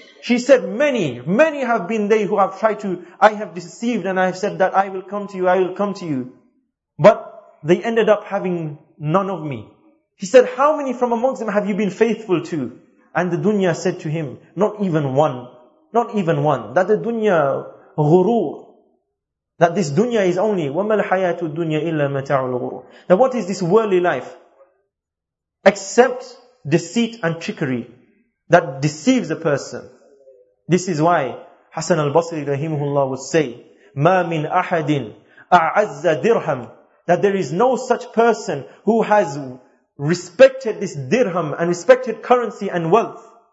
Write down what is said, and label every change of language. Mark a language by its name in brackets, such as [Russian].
[English] She said, many, many have been they who have tried to, I have deceived and I have said that I will come to you, I will come to you. But they ended up having none of me. He said, how many from amongst them have you been faithful to? And the dunya said to him, not even one, not even one. That the dunya, ghurur. That this dunya is only, [Arabic] وَمَا الْحَيَاةُ الدُّنْيَا إِلَّا مَتَاعُ الْغُرُورِ. [English] Now what is this worldly life? Except deceit and trickery that deceives a person. This is why Hassan al-Basri rahimahullah would say, [Arabic] مَا مِنْ أَحَدٍ أَعَزَّ [English] dirham, that there is no such person who has respected this dirham and respected currency and wealth.